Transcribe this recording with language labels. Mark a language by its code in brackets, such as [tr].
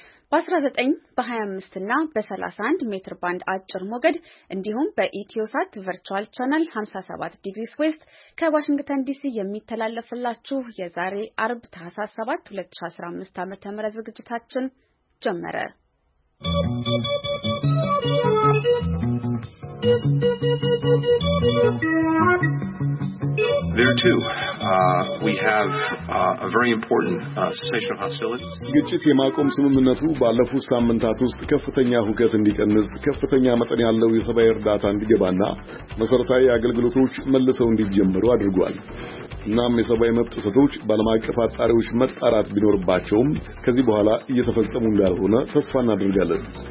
[am] በ19 በ25 እና በ31 ሜትር ባንድ አጭር ሞገድ እንዲሁም በኢትዮሳት ቨርቹዋል ቻናል 57 ዲግሪስ ዌስት ከዋሽንግተን ዲሲ የሚተላለፍላችሁ የዛሬ አርብ ታህሳስ 7 2015 ዓመተ ምህረት ዝግጅታችን ጀመረ። [en] There too, we have a very important cessation of hostilities. [am] ግጭት የማቆም ስምምነቱ ባለፉት ሳምንታት ውስጥ ከፍተኛ ሁከት እንዲቀንስ፣ ከፍተኛ መጠን ያለው የሰብአዊ እርዳታ እንዲገባና መሰረታዊ አገልግሎቶች መልሰው እንዲጀምሩ አድርጓል። እናም የሰብአዊ መብት ጥሰቶች በዓለም አቀፍ አጣሪዎች መጣራት ቢኖርባቸውም ከዚህ በኋላ እየተፈጸሙ እንዳልሆነ ተስፋ እናደርጋለን።